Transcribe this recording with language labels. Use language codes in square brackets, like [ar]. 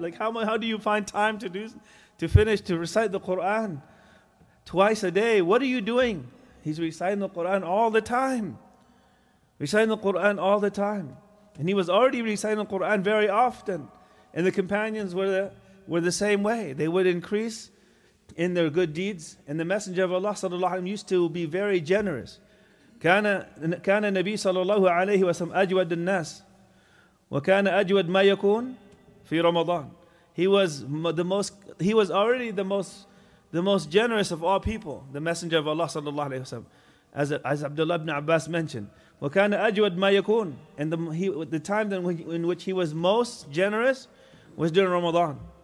[en] Like how do you find time to recite the Quran twice a day? What are you doing? He's reciting the Quran all the time. Reciting the Qur'an all the time. And he was already reciting the Qur'an very often. And the companions were the same way. They would increase in their good deeds. And the Messenger of Allah sallallahu alayhi wa sallam used to be very generous. [ar] كان النبي صلى الله عليه وسلم أجود الناس وكان أجود ما يكون في رمضان. [en] He was already the most generous of all people, the messenger of Allah sallallahu alayhi wasallam. As Abdullah ibn Abbas mentioned, [ar] وَكَانَ أَجْوَدْ مَا يَكُونَ. [en] And the time that in which he was most generous was during Ramadan.